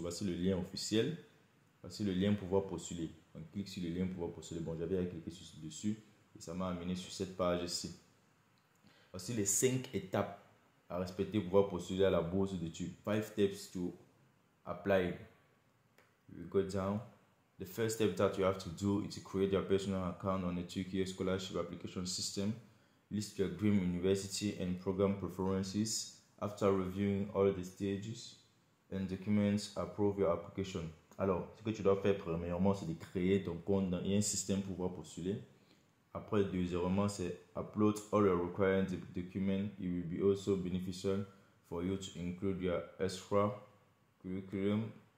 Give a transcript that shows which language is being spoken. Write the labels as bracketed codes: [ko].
[fr] Voici le lien officiel. Voici le lien pour pouvoir postuler. On clique sur le lien pour pouvoir postuler. Bon, j'avais à cliquer sur dessus et ça m'a amené sur cette page ici. Voici les 5 étapes à respecter pour pouvoir postuler à la bourse d'études. [en] 5 steps to apply. We go down. The first step that you have to do is to create your personal account on the Turkish scholarship application system. List your dream university and program preferences. After reviewing all the stages and documents, approve your application. [fr] Alors, ce que tu dois faire premièrement, c'est de créer ton compte dans un système pour pouvoir postuler. Après, deuxièmement, c'est [en] upload all your required documents. It will be also beneficial for you to include your extra curriculum.